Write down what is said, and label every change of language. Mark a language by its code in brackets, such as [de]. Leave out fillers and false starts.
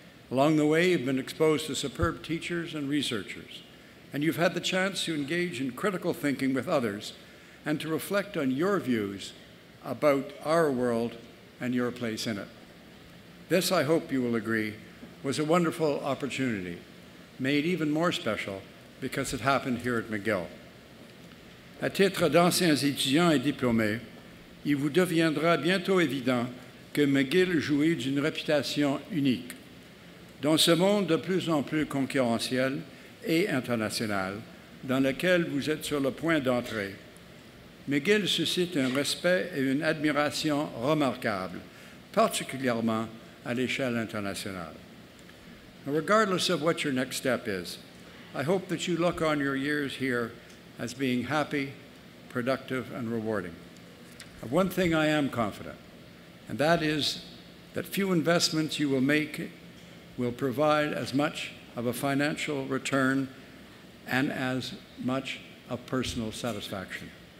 [en] Along the way, you've been exposed to superb teachers and researchers, and you've had the chance to engage in critical thinking with others and to reflect on your views about our world and your place in it. This, I hope you will agree, was a wonderful opportunity, made even more special because it happened here at McGill. [fr] À titre d'anciens étudiants et diplômés, il vous deviendra bientôt évident que McGill jouit d'une réputation unique. Dans ce monde de plus en plus concurrentiel et international, dans lequel vous êtes sur le point d'entrer, McGill suscite un respect et une admiration remarquables, particulièrement à l'échelle internationale. [en] Now, regardless of what your next step is, I hope that you look on your years here as being happy, productive, and rewarding. Of one thing I am confident, and that is that few investments you will make will provide as much of a financial return and as much of personal satisfaction.